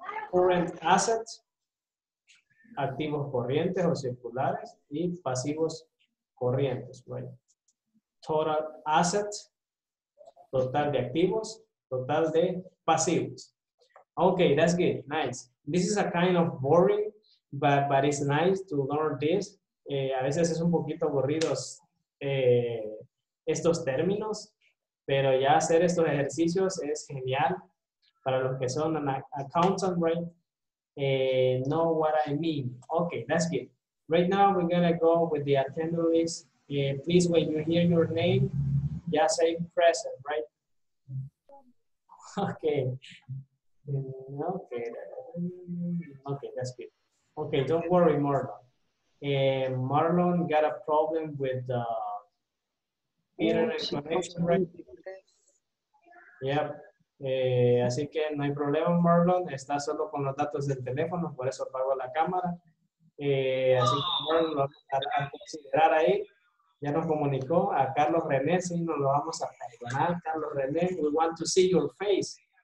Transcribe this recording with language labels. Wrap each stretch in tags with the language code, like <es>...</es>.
<en>Current assets,</en> <es>activos corrientes o circulares y pasivos corrientes, right?</es> <en>Total assets,</en> <es>total de activos, total de pasivos.</es> <en>Okay, that's good, nice. This is a kind of boring, but it's nice to learn this.</en> <es>A veces es un poquito aburridos estos términos, pero ya hacer estos ejercicios es genial para los que son</es> <en>an accountant, right? Know what I mean. Okay, that's good. Right now we're gonna go with the attendees. Please, when you hear your name, just say present, right? Okay, that's good. Okay, don't worry, Marlon. Marlon got a problem with the internet connection, right?</en> <es>Yep. Así que no hay problema, Marlon. Está solo con los datos del teléfono, por eso apago la cámara. Así que Marlon lo va a considerar ahí. Ya nos comunicó a Carlos René, sí, nos lo vamos a perdonar.</es> <en>Carlos René, we want to see your face.</en>